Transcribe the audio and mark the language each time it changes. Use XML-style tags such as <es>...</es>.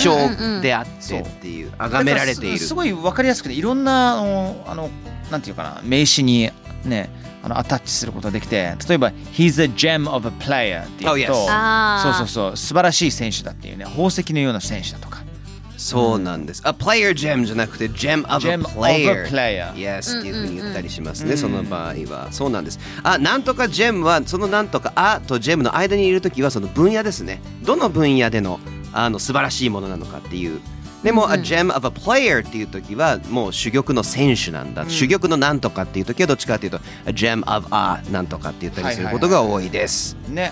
<ja>希少であってっていう、崇められている、すごい分かりやすくて、いろんな、あの、なんていうかな、名詞にね、あのアタッチすることができて、例えば</ja> <en>He's a gem of a player</en> <ja>っていうと、</ja> <en>oh, yes.</en> <ja>そうそうそう、素晴らしい選手だっていうね、宝石のような選手だとか、そうなんです、うん、A player gem じゃなくて</ja> <en>Gem of a player, gem of a player.</en> <ja>Yes っていうふうに言ったりしますね、うんうんうん、その場合は、そうなんです、あ、なんとか gem は、そのなんとか、あと gem の間にいるときは、その分野ですね、どの分野でのあの素晴らしいものなのかっていう、でも、うんうん、</ja> <en>A gem of a player</en> <ja>っていう時はもう珠玉の選手なんだ、うん、珠玉のなんとかっていう時はどっちかっていうと、うん、A gem of a なんとかって言ったりすることが多いです、はいはいはい、</ja>